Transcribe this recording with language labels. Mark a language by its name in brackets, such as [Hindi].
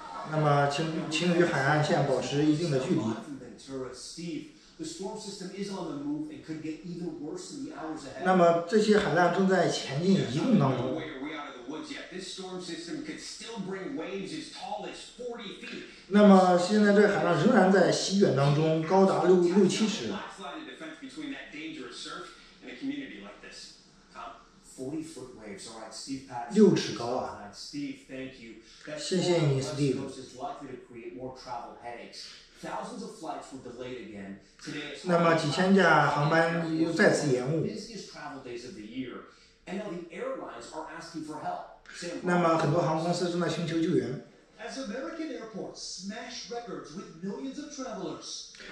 [Chinese] 那么请与海岸线保持一定的距离。 [English] The storm system is on the move and could get even worse in the hours ahead. [Chinese] 那么这些海浪正在前进移动当中。 [English] We're way out of the woods yet. This storm system could still bring waves as tall as 40 feet. [Chinese] 那么现在这海浪仍然在席卷当中，高达六七尺。 [English] Last line of defense between that dangerous surf and a community like this. Tom, 40-foot waves. All right, Steve Patterson. [Chinese] 6尺高啊。 [English] Steve, thank you. [Chinese] 谢谢你 ，Steve. [English] This is likely to create more travel headaches. Thousands of flights were delayed again. [Chinese] 那么几千架航班又再次延误。 [English] Busiest travel days of the year. And now the airlines are asking for help. [Chinese] 那么很多航空公司正在寻求救援。 [English] As American airports smash records with millions of travelers.